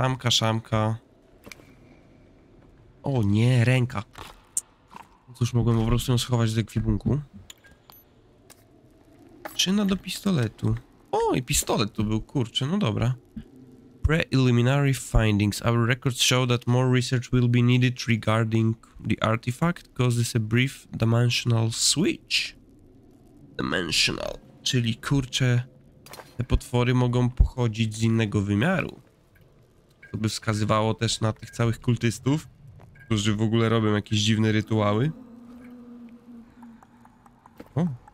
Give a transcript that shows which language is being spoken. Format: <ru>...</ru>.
<pl>Szamka. O nie, ręka. Cóż, mogłem po prostu ją schować z ekwipunku. Czyna do pistoletu. O, i pistolet tu był, kurczę, no dobra.</pl> <en>preliminary findings. Our records show that more research will be needed regarding the artifact, causes a brief dimensional switch. Dimensional.</en> <pl>Czyli kurczę, te potwory mogą pochodzić z innego wymiaru. To by wskazywało też na tych całych kultystów, którzy w ogóle robią jakieś dziwne rytuały. O.</pl>